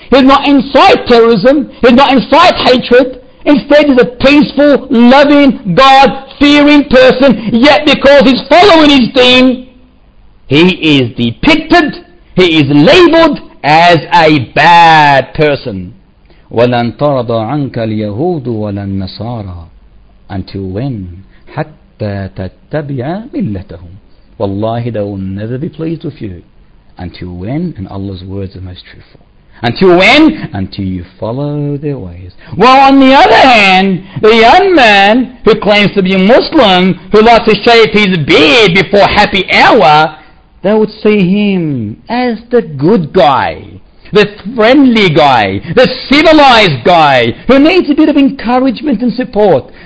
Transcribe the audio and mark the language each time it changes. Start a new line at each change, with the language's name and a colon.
English: He's not incite terrorism. He's not incite hatred. Instead, he's a peaceful, loving, God-fearing person. Yet, because he's following his deen, he is depicted, he is labeled as a bad person.
Arabic: وَلَنْ تَرَضَ عَنْكَ الْيَهُودُ وَلَا النَّصَارَى
English: Until when?
Arabic: حَتَّى تَتَّبِعَ مِلَّتَهُمْ
English: Wallahi, they will never be pleased with you. Until when? And Allah's words are most truthful. Until when? Until you follow their ways. Well, on the other hand, the young man who claims to be a Muslim, who likes to shave his beard before happy hour, they would see him as the good guy, the friendly guy, the civilized guy, who needs a bit of encouragement and support.